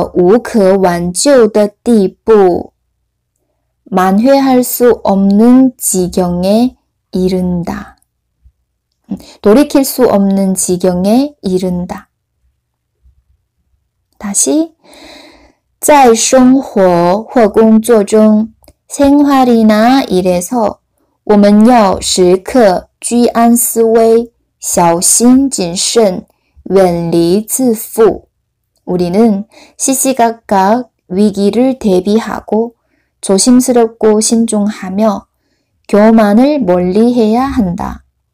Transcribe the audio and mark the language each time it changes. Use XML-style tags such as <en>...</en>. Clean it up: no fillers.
<zh>落得个无可挽救的地步,</zh> <ko>만회할 수 없는 지경에 이른다. 돌이킬 수 없는 지경에 이른다.</ko> <zh>다시, 在生活或工作中,</zh> <ko>생활이나 일에서</ko> <zh>我们要时刻居安思危, 小心谨慎, 远离自负.</zh> <ko>우리는 시시각각 위기를 대비하고 조심스럽고 신중하며 교만을 멀리해야 한다.</ko>